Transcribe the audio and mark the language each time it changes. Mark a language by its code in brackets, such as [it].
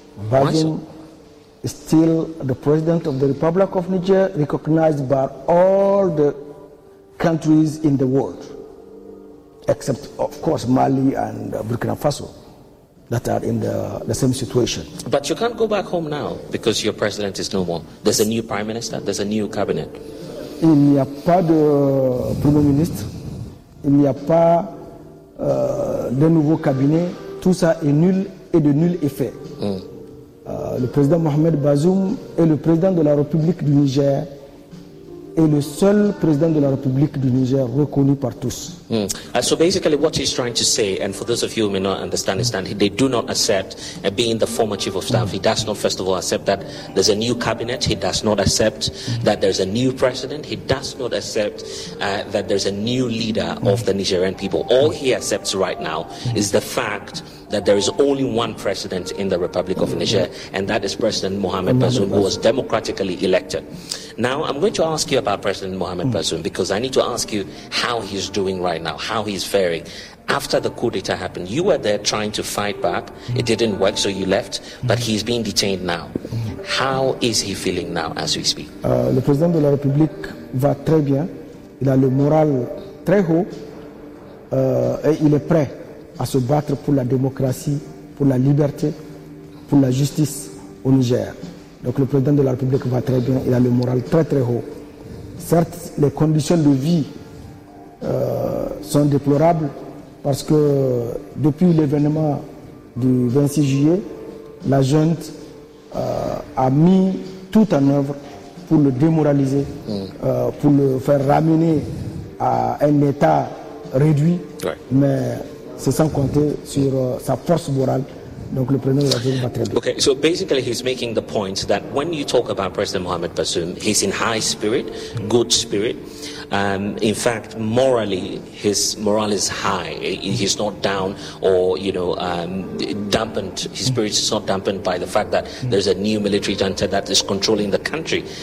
[en] Bazoum is still the president of the Republic of Niger, recognized by all the countries in the world, except, of course, Mali and Burkina Faso, that are in the same situation. But you can't go back home now because your president is no more. There's a new prime minister, there's a new cabinet. [fr] Il n'y a pas de premier ministre, il n'y a pas de nouveau cabinet, tout ça est nul et de nul effet. Mm. Le président Mohamed Bazoum est le président de la République du Niger et le seul président de la République du Niger reconnu par tous. Mm. [en] So basically what he's trying to say, and for those of you who may not understand, they do not accept being the former chief of staff. Mm. He does not, first of all, accept that there's a new cabinet. He does not accept that there's a new president. He does not accept that there's a new leader of the Nigerian people. All he accepts right now is the fact that there is only one president in the Republic of Niger, and that is President Mohamed Bazoum, who was democratically elected. Now, I'm going to ask you about President Mohamed Bazoum, because I need to ask you how he's doing right now, how he's faring. After the coup d'etat happened, you were there trying to fight back. It didn't work, so you left, but he's being detained now. How is he feeling now as we speak? [fr] Le président de la République va très bien. Il a le moral très haut, et il est prêt à se battre pour la démocratie, pour la liberté, pour la justice au Niger. Donc le président de la République va très bien, il a le moral très très haut. Certes, les conditions de vie sont déplorables parce que depuis l'événement du 26 juillet, la junte a mis tout en œuvre pour le démoraliser, pour le faire ramener à un état réduit. Ouais. Mais c'est sans compter sur sa force morale. Donc le président de la République va très bien. [en] Okay, so basically he's making the point that when you talk about President Mohamed Bazoum, he's in high spirit, good spirit. In fact, morally, his morale is high. He's not down, or you know, dampened. His spirit is not dampened by the fact that there's a new military junta that is controlling the country.